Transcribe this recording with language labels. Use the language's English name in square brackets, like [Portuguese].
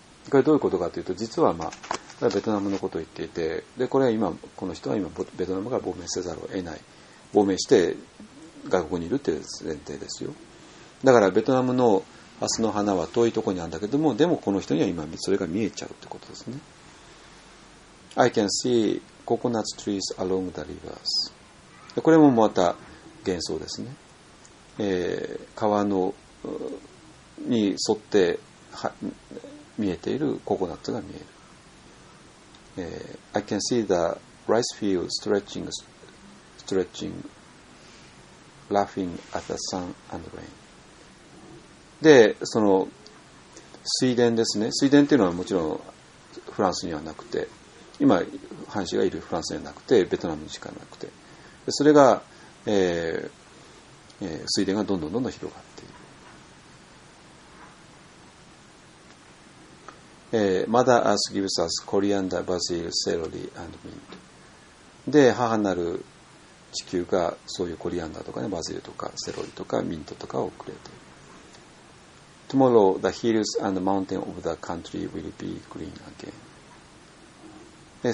[Japanese] これどういうことかというと、実は、まあ、ベトナムのことを言っていて、でこれは今この人は今ベトナムから亡命せざるを得ない、亡命して外国にいるという前提ですよ。だからベトナムのハスの花は遠いところにあるんだけども、でもこの人には今それが見えちゃうということですね。 [English] I can see coconut trees along the rivers。 [Japanese] これもまた幻想ですね、川のに沿っては見えているココナッツが見える、 [English] I can see the rice field stretching, stretching, laughing at the sun and rain. [Japanese] で、その水田ですね。水田っていうのはもちろんフランスにはなくて、今藩士がいるフランスにはなくて、ベトナムにしかなくて、それが、水田がどんどんどんどん広がっている。 [English] Mother Earth gives us coriander, basil, celery, and mint. [Japanese] で、母なる地球がそういうコリアンダーとかね、バジルとかセロリとかミントとかをくれている。 [English] Tomorrow, the hills and mountain of the country will be green again.